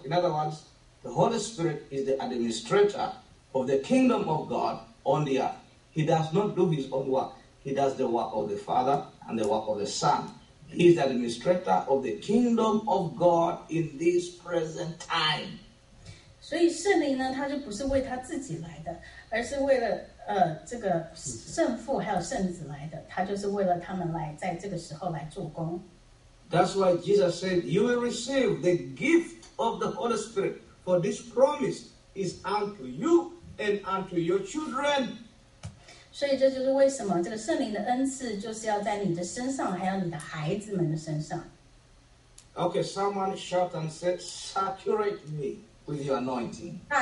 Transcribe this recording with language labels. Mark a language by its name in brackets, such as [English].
[English] In other words, the Holy Spirit is the administrator of the kingdom of God on the earth. He does not do his own work. He does the work of the Father and the work of the Son. He is the administrator of the kingdom of God in this present time. [Chinese] 所以圣灵呢，他就不是为他自己来的，而是为了这个圣父还有圣子来的。他就是为了他们来在这个时候来做工。 [English] That's why Jesus said, "You will receive the gift of the Holy Spirit, for this promise is unto you and unto your children." [Chinese] 所以这就是为什么这个圣灵的恩赐就是要在你的身上，还有你的孩子们的身上。Okay, [English] someone shout and say, "Saturate me with your anointing."